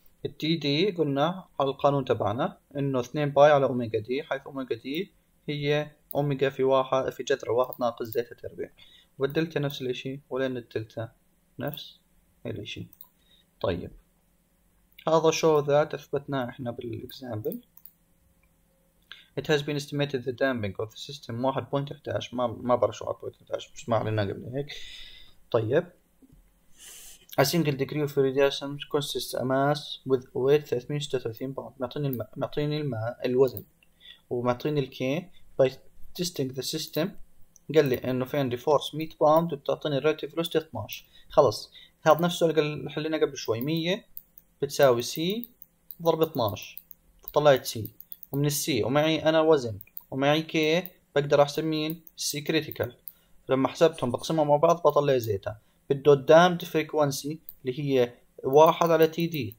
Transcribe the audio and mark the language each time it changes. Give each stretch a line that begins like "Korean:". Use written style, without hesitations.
Arabic: التي دي قلنا على القانون تبعنا انه 2 باي على اوميجا دي، حيث اوميجا دي هي اوميجا في واحد في جذر واحد ناقص زيتا تربيع، والدلتا نفس الاشي، ولان الدلتا نفس الاشي. طيب هذا شو ذات اثبتناه احنا بالاكزامبل.
English: It has been estimated the damping of the system 1.11،
Arabic: ما بعرف شو 1.11 بس ما علينا قبل هيك. طيب
English: A single degree of radiation consists a mass with weight 336 pound.
Arabic: معطيني الوزن ومعطيني ال K.
English: By testing the system
Arabic: قال لي انه في عندي
English: force 100 pound وبتعطيني relative velocity 12.
Arabic: خلص هذا نفسه اللي قال حلينا قبل شوي، 100 بتساوي C ضرب 12 فطلعت C، ومن السي ومعي انا وزن ومعي K بقدر احسب مين؟ السي كريتيكال. لما حسبتهم بقسمهم مع بعض بطلع زيتا. بده الدامد فريكونسي اللي هي 1/TD.